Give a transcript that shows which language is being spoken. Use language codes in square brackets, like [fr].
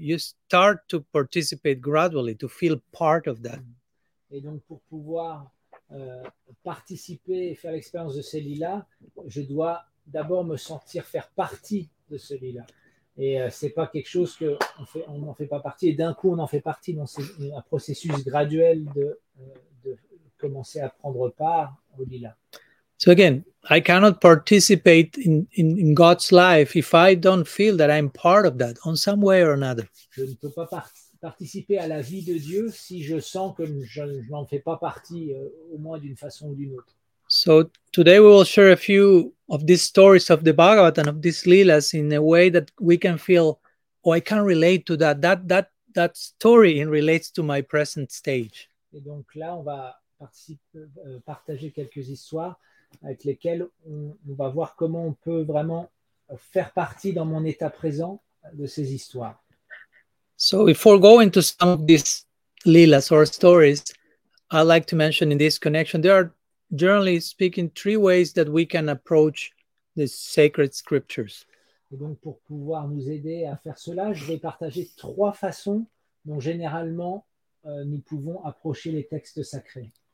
[en] You start to participate gradually to feel part of that. [fr] Et donc pour pouvoir participer et faire l'expérience de ces lilas, je dois d'abord me sentir faire partie de ce lila. Et c'est pas quelque chose que on n'en fait pas partie et d'un coup on en fait partie. Donc c'est un processus graduel de commencer à prendre part au lila. [en] So again, I cannot participate in God's life if I don't feel that I'm part of that in some way or another. [fr] Je ne peux pas participer à la vie de Dieu si je sens que je n'en fais pas partie au moins d'une façon ou d'une autre. [en] So today we will share a few of these stories of the Bhagavatam and of these lilas in a way that we can feel, oh, I can relate to that. That story in relates to my present stage. [fr] Et donc là, on va partager quelques histoires avec lesquels on va voir comment on peut vraiment faire partie dans mon état présent de ces histoires. [en] So before going to some of these lilas or stories, I'd like to mention in this connection, there are generally speaking three ways that we can approach the sacred scriptures. [fr] Et donc pour pouvoir nous aider à faire cela, je vais partager trois façons dont généralement nous pouvons approcher les textes sacrés.